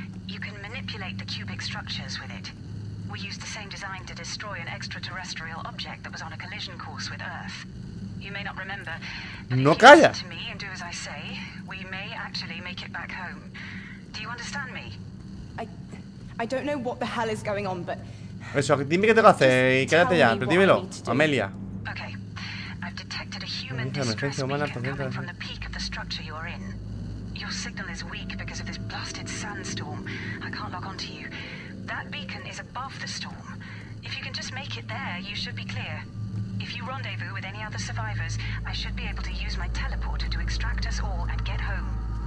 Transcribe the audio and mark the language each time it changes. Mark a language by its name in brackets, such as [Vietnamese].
[English] You can manipulate the cubic structures with it. We used the same design to destroy an extraterrestrial object that was on a collision course with Earth. You may not remember, but no if calla. You listen to me and do as I say, we may actually make it back home. Do you understand me? I don't know what the hell is going on, but... [Spanish] Eso, dime qué tengo que hacer y quédate ya, pero dímelo, Amelia. [English] Okay. I've detected a human distress beacon coming from the peak of the structure you're in. Your signal is weak because of this blasted sandstorm. I can't log on to you. That beacon is above the storm. If you can just make it there, you should be clear. If you rendezvous with any other survivors, I should be able to use my teleporter to extract us all and get home.